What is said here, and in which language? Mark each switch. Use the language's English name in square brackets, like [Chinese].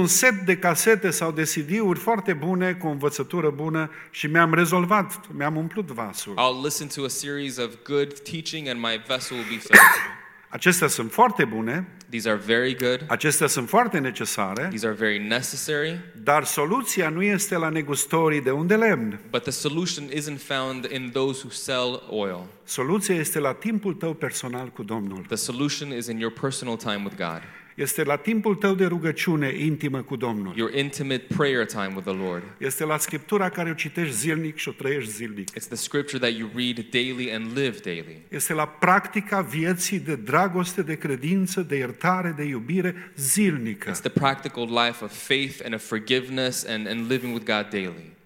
[Romanian] Ascult un set de casete sau de CD-uri foarte bune cu învățătură bună și mi-am umplut vasul. [English] I'll listen to a series of good teaching and my vessel will be filled. [Romanian] Acestea sunt foarte bune. [English] These are very good. [Romanian] Acestea sunt foarte necesare. [English] These are very necessary. [Romanian] Dar soluția nu este la negustorii de unt de lemn. [English] But the solution isn't found in those who sell oil. [Romanian] Soluția este la timpul tău personal cu Domnul. [English] The solution is in your personal time with God. [Romanian] Este la timpul tău de rugăciune intimă cu Domnul. [English] Your intimate prayer time with the Lord. [Romanian] Este la Scriptura care o citești zilnic și o trăiești zilnic. [English] It's the scripture that you read daily and live daily. [Romanian] Este la practica vieții de dragoste, de credință, de iertare, de iubire zilnică. [English] It's the practical life of faith and of forgiveness and living with God daily.